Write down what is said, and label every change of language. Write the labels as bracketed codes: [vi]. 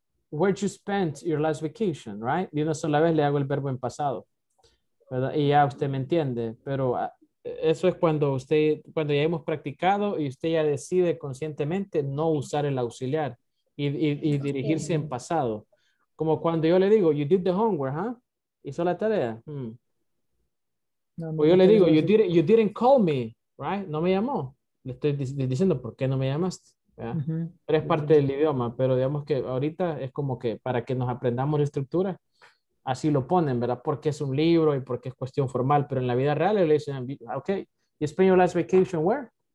[en] Where you spent your last vacation, right? [es] De una sola vez le hago el verbo en pasado, ¿verdad? Y ya usted me entiende, pero eso es cuando cuando ya hemos practicado y usted ya decide conscientemente no usar el auxiliar y dirigirse en pasado. Como cuando yo le digo, [en] you did the homework, [es] ¿ah? ¿Hizo la tarea? No, yo le digo, [en] you didn't call me, right? [es] No me llamó. Le estoy diciendo, ¿por qué no me llamaste? Uh-huh. Pero es parte del idioma, pero digamos que ahorita es como que para que nos aprendamos la estructura, así lo ponen, ¿verdad? Porque es un libro y porque es cuestión formal, pero en la vida real le dicen, ok, [en] you spent your last vacation where?